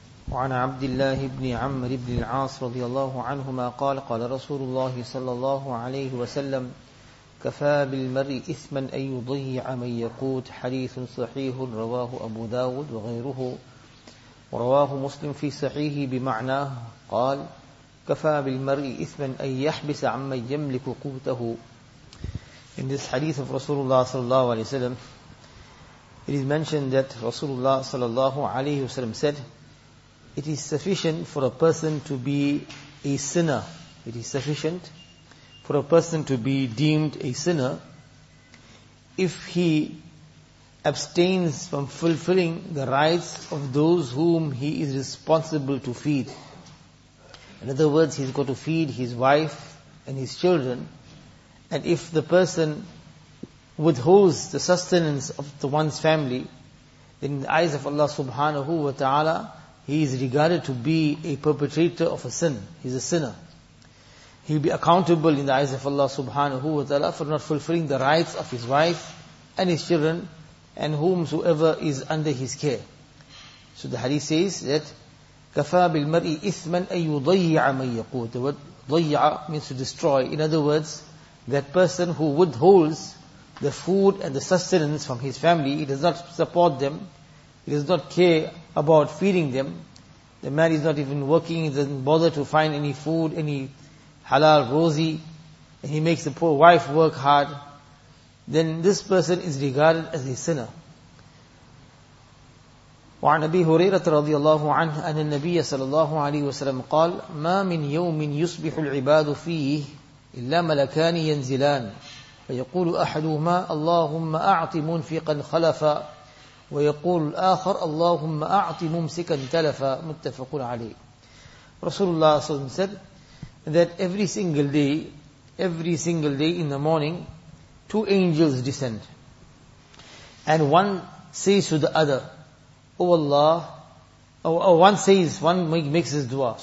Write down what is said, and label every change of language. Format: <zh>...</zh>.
<ar>وعن عبد الله بن عمرو بن العاص رضي الله عنهما قال قال رسول الله صلى الله عليه وسلم كفى بالمرء إثما أن يضيع من يقوت. حديث صحيح رواه أبو داود وغيره ورواه مسلم في صحيحه بمعناه قال كفى بالمرء إثما أن يحبس عمن يملك قوته.</ar> <en>In this hadith of Rasulullah sallallahu alayhi wa sallam, it is mentioned that Rasulullah sallallahu alayhi wa sallam said, it is sufficient for a person to be a sinner. It is sufficient for a person to be deemed a sinner if he abstains from fulfilling the rights of those whom he is responsible to feed. In other words, he's got to feed his wife and his children. And if the person withholds the sustenance of the one's family, then in the eyes of Allah subhanahu wa ta'ala, he is regarded to be a perpetrator of a sin. He's a sinner. He'll be accountable in the eyes of Allah subhanahu wa ta'ala for not fulfilling the rights of his wife and his children and whomsoever is under his care. So the hadith says that,</en> <ar>كَفَى بِالْمَرْءِ إِثْمًا أَن يُضَيِّعَ مَن يَقُوتُ.</ar> <en>The word ضَيِّعَ means to destroy. In other words, that person who withholds the food and the sustenance from his family, he does not support them, he does not care about feeding them, the man is not even working, he doesn't bother to find any food, any halal rosy, and he makes the poor wife work hard, then this person is regarded as a sinner.</en> <ar>وعن أبي هريرة رضي الله عنه أن النبي صلى الله عليه وسلم قال ما من يوم يصبح العباد فيه إلا ملكان ينزلان فيقول أحدهما اللهم أعط منفقا خلفا ويقول الآخر اللهم أعط ممسكا تلفا. متفق عليه.</ar> <en>Rasulullah صلى الله عليه وسلم said that every single day in the morning, two angels descend. And one says to the other, Oh Allah, one makes this dua.</en>